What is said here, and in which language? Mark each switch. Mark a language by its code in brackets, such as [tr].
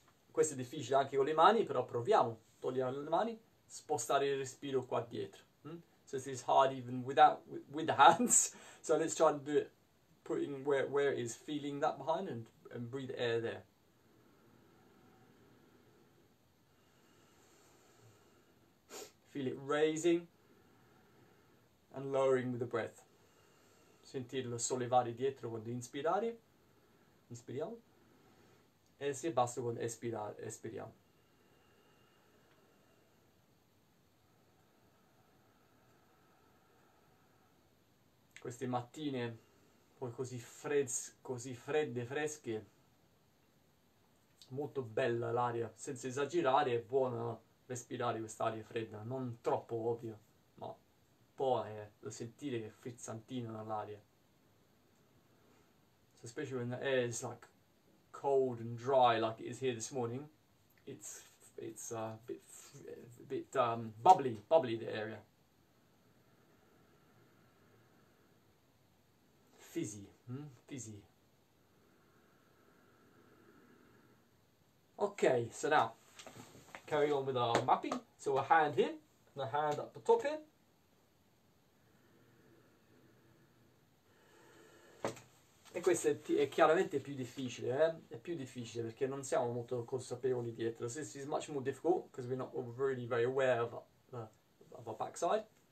[it] Questo è difficile anche con le mani, però proviamo. Togliamo le mani, spostare il respiro qua dietro. [en] So this is hard even with the hands. So let's try and do it, putting where it is feeling that behind and breathe air there. Feel it raising and lowering with the breath. [it] Sentirlo sollevare dietro quando inspirare. Inspiriamo. E si abbassa quando espirare. Espiriamo. Queste mattine, poi così fredde, fresche, molto bella l'aria. Senza esagerare, è buona respirare quest'aria fredda. Non troppo, ovvio, ma poi lo sentire che frizzantina nell'aria. [en] Especially when the air is like cold and dry, like it is here this morning, it's a bit bubbly the area. Fizzy. Okay, so now carry on with our mapping. So a hand here, and a hand at the top here. [it] E questo è chiaramente più difficile, eh? È più difficile perché non siamo molto consapevoli dietro. [en] So this is much more difficult because we're not really very aware of our backside.